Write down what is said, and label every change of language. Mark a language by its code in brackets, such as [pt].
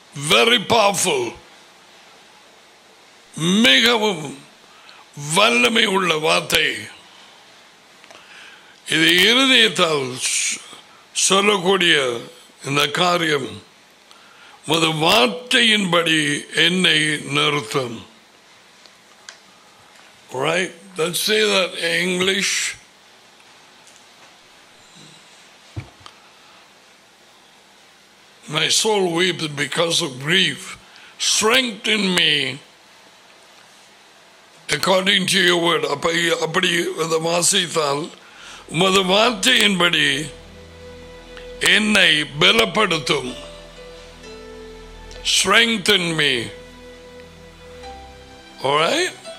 [en] very powerful, [ta] மிகவும் வல்லமை உள்ள வார்த்தை. இது இருதயத்தால் சொல்லக்கூடிய இந்த காரியம், மது வார்த்தையின்படி என்னை நிறுத்தும். [en] Right? Let's say that in English. My soul weeps because of grief. Strengthen me according to your word. [ta] அப்படி அதை வாசித்தால் உமது வார்த்தையின்படி என்னை பலப்படுத்தும். [en] Strengthen me. All right?